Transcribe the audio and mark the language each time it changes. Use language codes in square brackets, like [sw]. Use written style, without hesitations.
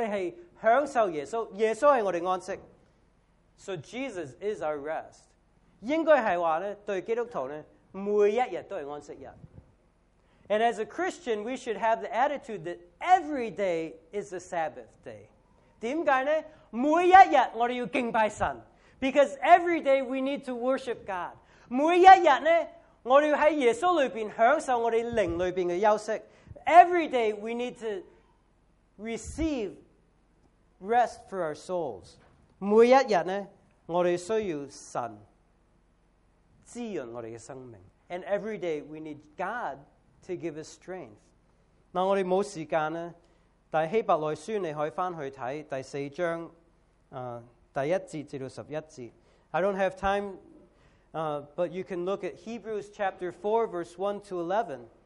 [zh] 所以在安息日里面,我们是享受耶稣,耶稣是我们的安息。 [en] So Jesus is our rest. [zh] 应该是说,对基督徒,每一天都是安息日。 [en] And as a Christian, we should have the attitude that every day is the Sabbath day. [zh] 为什么呢?每一天我们要敬拜神。 [en] Because every day we need to worship God. [zh] 每一天呢,我们要在耶稣里面享受我们灵里面的休息。 [en] Every day we need to receive rest for our souls. [zh] 每一天呢,我们需要神滋润我们的生命。 [en] And every day we need God to give us strength. [zh] 那我们没时间呢,但希伯来书你可以回去看第四章,第一节至十一节。 [en] I don't have time, but you can look at Hebrews chapter 4, verse 1 to 11.